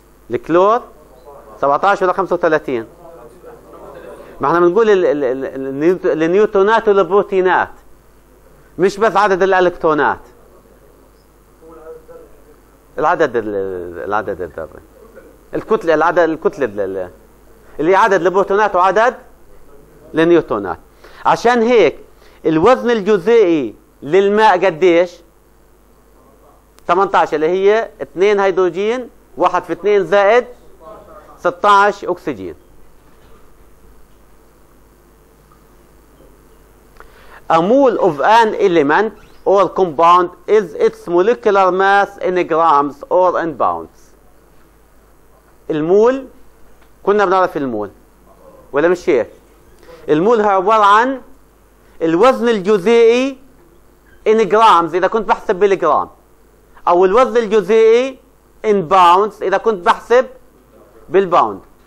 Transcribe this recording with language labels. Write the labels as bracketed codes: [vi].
[ar] الكلور 17 ولا 35؟ ما احنا بنقول النيوترونات والبروتينات، مش بس عدد الالكترونات، العدد الذري، الكتله، العدد الكتله اللي عدد البروتونات وعدد النيوترونات. عشان هيك الوزن الجزيئي للماء قديش؟ 18، اللي هي 2 هيدروجين 1 في 2 زائد 16 اكسجين. [en] A mole of an element or compound is its molecular mass in grams or in pounds. [ar] المول كنا بنعرف المول، ولا مش هيك؟ المول هو عباره عن الوزن الجزيئي ان جرامز اذا كنت بحسب بالجرام، او الوزن الجزيئي ان باوندز اذا كنت بحسب بالباوند.